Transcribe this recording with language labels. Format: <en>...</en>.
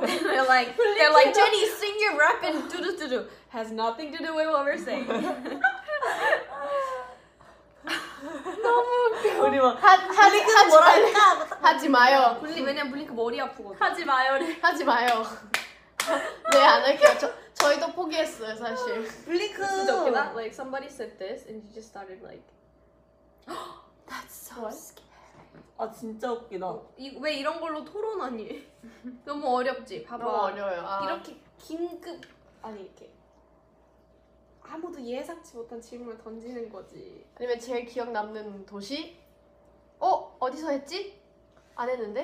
<en>they're like, Jenny, sing your rap and do do do do. Has nothing to do with what we're saying.</en> <ko>너무 웃겨. 우리 막 블링크 뭐라 할까? 하지 마요. 블링크 왜냐면 블링크 머리 아프거든. 하지 마요래. 하지 마요. 네, 안 할게요. 저희도 포기했어요, 사실. 블링크.</ko> <en>Like somebody said this and you just started like. That's so scary.</en> <ko>아 진짜 웃기다. 이 왜 이런 걸로 토론하니? 너무 어렵지. 봐봐. 너무 어려요. 아. 이렇게 긴급 아니 이렇게. 아무도 예상치 못한 질문을 던지는 거지. 아니면 제일 기억 남는 도시? 어? 어디서 했지? 안 했는데?</ko>